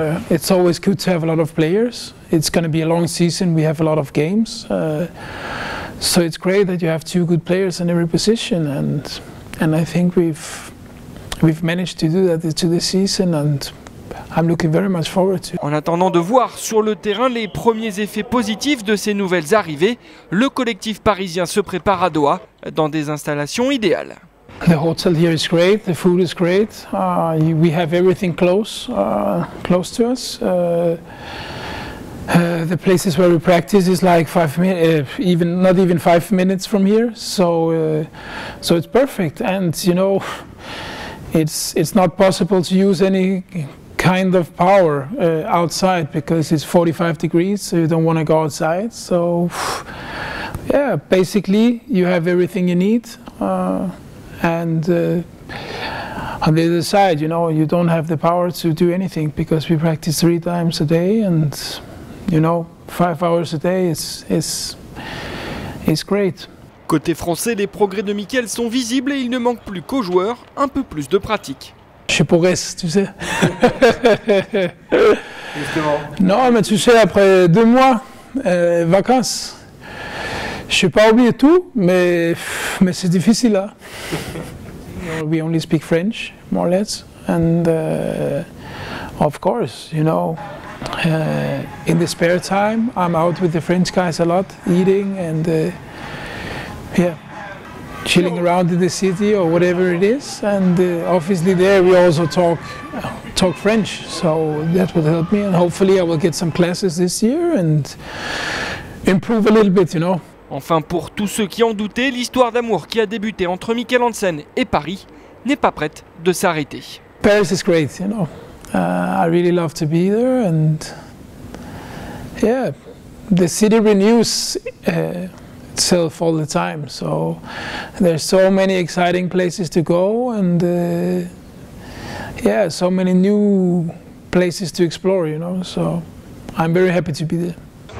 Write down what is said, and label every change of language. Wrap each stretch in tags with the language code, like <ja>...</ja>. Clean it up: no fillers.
<en>It's always good to have a lot of players. It's gonna be a long season. We have a lot of games, so it's great that you have two good players in every position, and I think we've managed to do that to this season, and I'm looking very much forward to.</en> <fr>En attendant de voir sur le terrain les premiers effets positifs de ces nouvelles arrivées, le collectif parisien se prépare à Doha dans des installations idéales.</fr> <en>The hotel here is great, the food is great. We have everything close to us. The places where we practice is like 5 minutes, not even 5 minutes from here. So it's perfect, and you know, it's not possible to use any kind of power outside because it's 45 degrees, so you don't want to go outside. So, yeah, basically you have everything you need. On the other side, you know, you don't have the power to do anything because we practice 3 times a day, and you know, 5 hours a day is great.</en> <fr>Côté français, les progrès de Mikkel sont visibles et il ne manque plus qu'aux joueurs un peu plus de pratique. Je progresse, tu sais. Justement. Non, mais tu sais, après 2 mois vacances, je n'ai pas oublié tout, mais c'est difficile là.</fr> <en>We only speak French, more or less, and of course, you know, in the spare time, I'm out with the French guys a lot, eating and chilling around in the city or whatever it is. And obviously there we also talk French, so that would help me. And hopefully I will get some classes this year and improve a little bit, you know.</en> <fr>Enfin, pour tous ceux qui en doutaient, l'histoire d'amour qui a débuté entre Mikkel Hansen et Paris n'est pas prête de s'arrêter.</fr> <en>Paris is great, you know. I really love to be there, and yeah, the city renews itself all the time. So there's so many exciting places to go, and so many new places to explore, you know. So I'm very happy to be there.</en>